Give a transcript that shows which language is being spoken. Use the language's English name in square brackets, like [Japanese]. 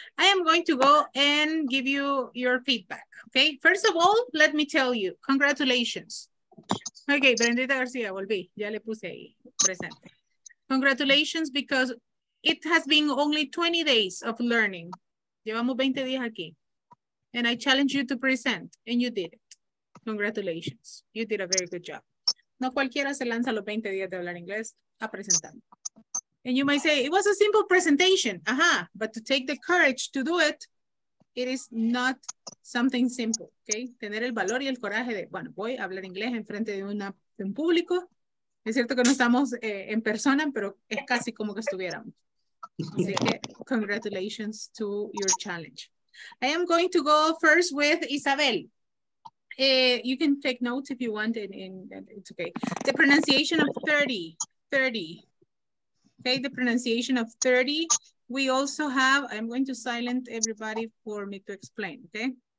[English] I am going to go and give you your feedback. Okay, first of all, let me tell you, congratulations. [Spanish] Okay, Brendita García, volví. Ya le puse ahí, presente. [English] Congratulations, because it has been only 20 days of learning. [Spanish] Llevamos 20 días aquí. [English] And I challenge you to present, and you did it. Congratulations, you did a very good job. [Spanish] No cualquiera se lanza los 20 días de hablar inglés a presentar. [English] And you might say, it was a simple presentation. Aha, uh-huh. But to take the courage to do it, it is not something simple, okay? [Spanish] Tener el valor y el coraje de, bueno, voy a hablar inglés en frente de un público. Es cierto que no estamos en persona, pero es casi como que estuviéramos. Así que, [English] congratulations to your challenge. I am going to go first with Isabel. You can take notes if you want, it's okay. The pronunciation of 30. Okay, the pronunciation of 30. We also have, I'm going to silence everybody for me to explain, okay?